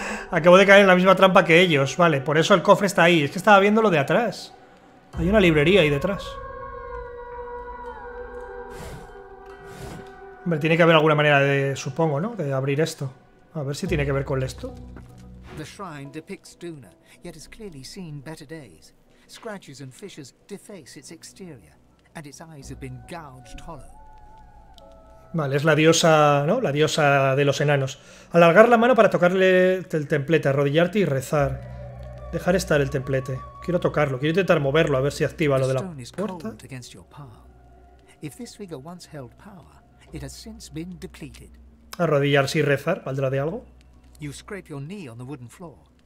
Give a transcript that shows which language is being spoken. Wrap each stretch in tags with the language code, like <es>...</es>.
<es>acabo de caer en la misma trampa que ellos, vale, por eso el cofre está ahí. Es que estaba viendo lo de atrás. Hay una librería ahí detrás. Hombre, tiene que haber alguna manera de, supongo, ¿no? De abrir esto. A ver si tiene que ver con esto.</es> <en>The shrine depicts Duna, yet has clearly seen better days. Scratches and fissures deface its exterior, and its eyes have been gouged hollow.</en> <es>Vale, es la diosa, ¿no? La diosa de los enanos. Alargar la mano para tocarle el templete, arrodillarte y rezar. Dejar estar el templete. Quiero tocarlo, quiero intentar moverlo a ver si activa lo de la puerta.</es> <en>If this figure once held power, it has since been depleted.</en> <es>Arrodillarse y rezar, ¿valdrá de algo?</es> <en>You scrape your knee on the wooden floor.</en>